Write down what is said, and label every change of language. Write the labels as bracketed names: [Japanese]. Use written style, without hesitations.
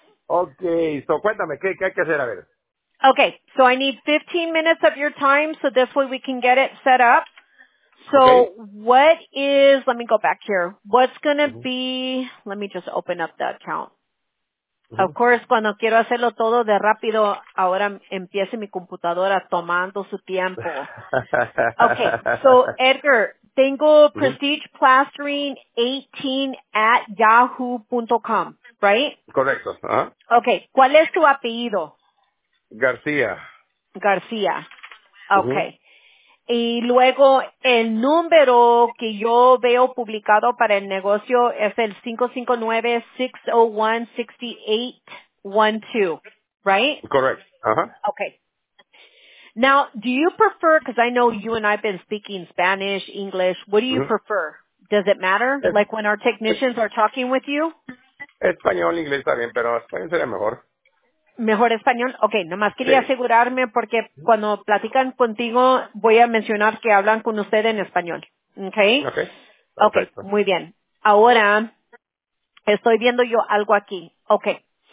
[English] Okay, so [Spanish] cuéntame, ¿qué hay que hacer? A ver. [English] Okay, so I need 15 minutes of your time, so this way we can get it set up. So what is, let me go back here, what's going to be, let me just open up the account. Of course, [Spanish] cuando quiero hacerlo todo de rápido, ahora empiece mi computadora tomando su tiempo. [English] Okay, so Edgar, [Spanish] tengo prestigeplastering18 at yahoo.com, [English] right? [Spanish] Correcto. Okay, ¿cuál es tu apellido? García. García. Okay. Y luego, el número que yo veo publicado para el negocio es el 559-601-6812, [English] right? Correct. Uh-huh. Okay. Now, do you prefer, because I know you and I have been speaking Spanish, English, what do you prefer? Does it matter? Like when our technicians are talking with you? [Spanish] Español, inglés también, pero español sería mejor. ¿Mejor español? Okay, nomás quería asegurarme porque cuando platican contigo voy a mencionar que hablan con usted en español. [English] Okay. Okay, [Spanish] muy bien. Ahora estoy viendo yo algo aquí. Okay.